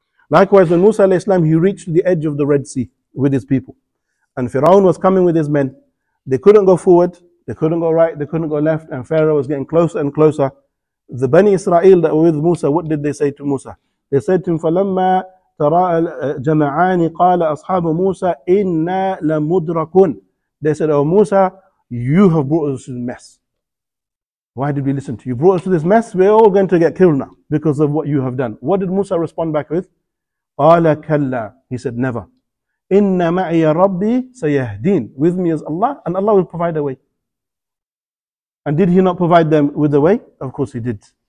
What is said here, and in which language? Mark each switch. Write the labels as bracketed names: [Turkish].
[English] Likewise, when Musa alayhi salam, he reached the edge of the Red Sea with his people. And Firaun was coming with his men. They couldn't go forward. They couldn't go right. They couldn't go left. And Pharaoh was getting closer and closer. The Bani Israel that were with Musa, what did they say to Musa? [Arabic] They said to him, falamma ترى الجمعان قال أصحاب موسى إن لمدركون. [English] They said, oh Musa, you have brought us to this mess. Why did we listen to you? You brought us to this mess. We're all going to get killed now because of what you have done. What did Musa respond back with? [Arabic] قال كلا. [English] He said, never. [Arabic] إن معي ربي سيهدين. [English] With me is Allah, and Allah will provide a way. And did He not provide them with a way? Of course He did.